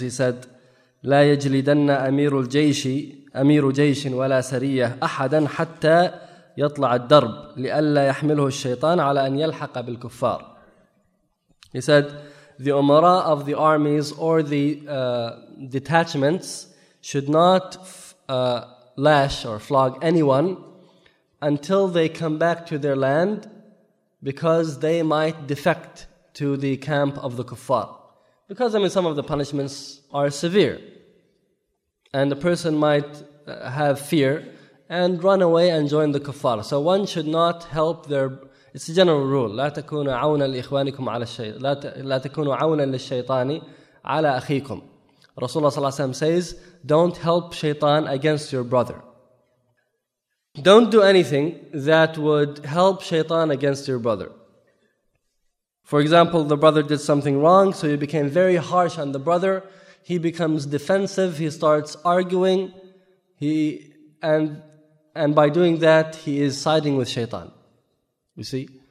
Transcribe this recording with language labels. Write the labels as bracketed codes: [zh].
[en] He said, [ar] لا يجلدن أمير الجيش أمير جيش ولا سرية أحدا حتى يطلع الدرب لئلا يحمله الشيطان على أن يلحق بالكفار. [en] He said, the umara of the armies or the detachments should not lash or flog anyone until they come back to their land because they might defect to the camp of the kuffar. Because, I mean, some of the punishments are severe. And a person might have fear and run away and join the kuffar. So one should not help their... It's a general rule. [ar] لا تكونوا عونا لإخوانكم على الشيطان. لا تكونوا عونا للشيطان على أخيكم. [en] Rasulullah صلى الله عليه وسلم says, don't help shaitan against your brother. Don't do anything that would help shaitan against your brother. For example, the brother did something wrong, so you became very harsh on the brother. He becomes defensive, he starts arguing, and by doing that, he is siding with shaitan, you see?